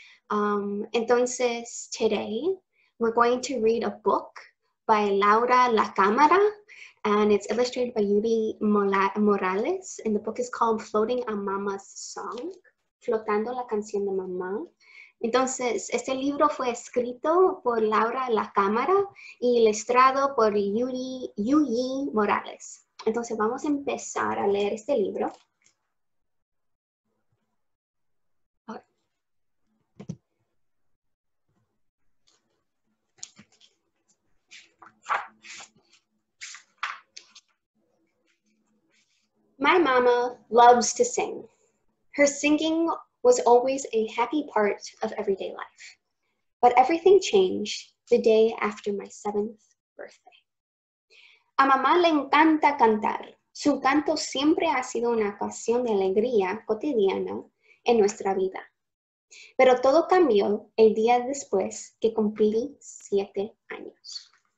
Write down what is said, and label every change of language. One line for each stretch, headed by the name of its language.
English: Entonces, today, we're going to read a book by Laura La Cámara, and it's illustrated by Yuri Morales, and the book is called Floating a Mama's Song, Flotando la Canción de Mamá.
Spanish: Entonces, este libro fue escrito por Laura La Cámara y ilustrado por Yuri Morales. Entonces, vamos a empezar a leer este libro.
English: My mama loves to sing. Her singing was always a happy part of everyday life. But everything changed the day after my 7th birthday.
Spanish: A mamá le encanta cantar. Su canto siempre ha sido una ocasión de alegría cotidiana en nuestra vida. Pero todo cambió el día después que cumplí 7 años.